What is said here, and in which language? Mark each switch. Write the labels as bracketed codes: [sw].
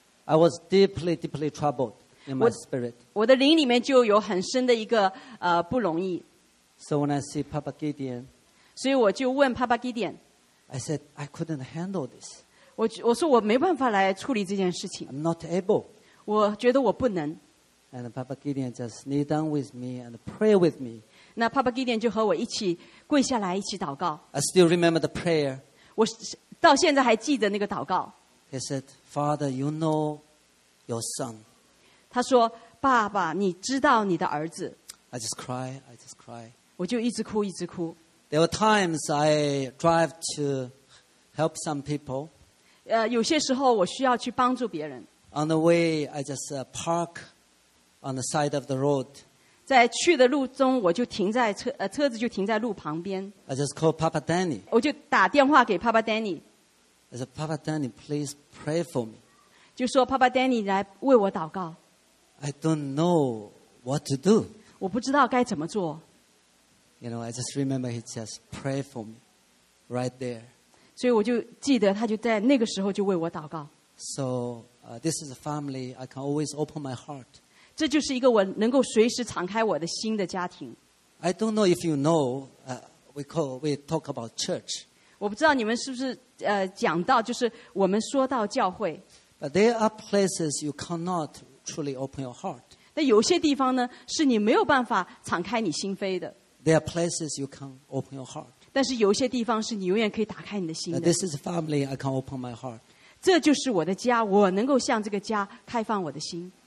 [en] I was deeply troubled in my spirit. [zh] 我的灵里面就有很深的一个不容易。 [en] So when I see Papa Gideon, [zh] 所以我就问 Papa Gideon, [en] I said, I couldn't handle this. [zh] 我说我没办法来处理这件事情。 [en] I'm not able. [zh] 我觉得我不能。 [en] And Papa Gideon just kneel down with me and pray with me. [zh] 那 Papa Gideon 就和我一起跪下来一起祷告。 [en] I still remember the prayer. [zh] 我到现在还记得那个祷告。 [en] He said, "Father, you know your son." [zh] 他说：“爸爸，你知道你的儿子。 [en] ”I just cry, I just cry. [zh] 我就一直哭，一直哭。 [en] There were times I drive to help some people. [zh] 有些时候我需要去帮助别人。 [en] On the way, I just park on the side of the road. [zh] 在去的路中我就停在车子就停在路旁边。 [en] I just called Papa Danny. [zh] 我就打电话给 Papa Danny. [en] I said, "Papa Danny, please pray for me." [zh] 就说 Papa Danny 来为我祷告。 [en] I don't know what to do. [zh] 我不知道该怎么做。 [en] You know, I just remember he just prayed for me right there. [zh] 所以我就记得他就在那个时候就为我祷告。 [en] So, this is a family I can always open my heart. [zh] 这就是一个我能够随时敞开我的心的家庭。 [en] I don't know if you know, we talk about church. [zh] 我不知道你们是不是讲到就是我们说到教会。 [en] But there are places you cannot truly open your heart. [zh] 但有些地方呢是你没有办法敞开你心扉的。 [en] There are places you can open your heart. [zh] 但是有些地方是你永远可以打开你的心的。 [en] This is a family I can open my heart. [zh] 这就是我的家，我能够向这个家开放我的心。